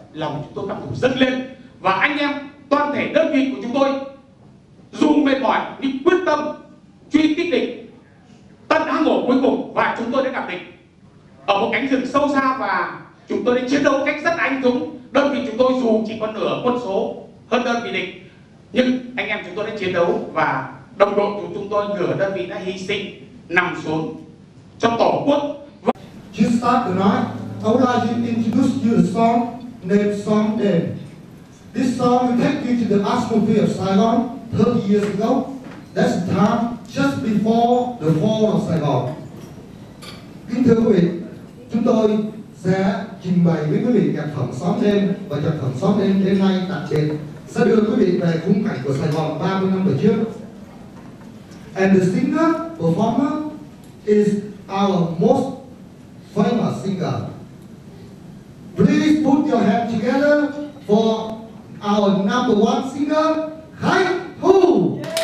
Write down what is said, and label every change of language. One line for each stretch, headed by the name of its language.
Vietnamese: Lòng chúng tôi căm thù dâng lên và anh em toàn thể đơn vị của chúng tôi dù mệt mỏi nhưng quyết tâm truy kích địch tận hang ổ cuối cùng, và chúng tôi đã gặp địch ở một cánh rừng sâu xa và chúng tôi đã chiến đấu cách rất anh dũng. Đơn vị chúng tôi dù chỉ có nửa quân số hơn đơn vị địch, nhưng anh em chúng tôi đã chiến đấu và đồng đội của chúng tôi nửa đơn vị đã hy sinh nằm xuống cho tổ quốc.
English: You start the night, I would like to introduce you a song named Song Day. This song will take you to the atmosphere of Saigon 30 years ago. That's the time just before the fall of Saigon.
Vietnamese: Kính thưa quý vị, chúng tôi sẽ trình bày với quý vị nhạc phẩm Xóm Đêm, và nhạc phẩm Xóm Đêm đến nay tại trên sẽ đưa quý vị về khung cảnh của Sài Gòn 30 năm về trước.
English: And the singer, performer is our most famous singer. Please put your hands together for our number one singer, Chay Thu.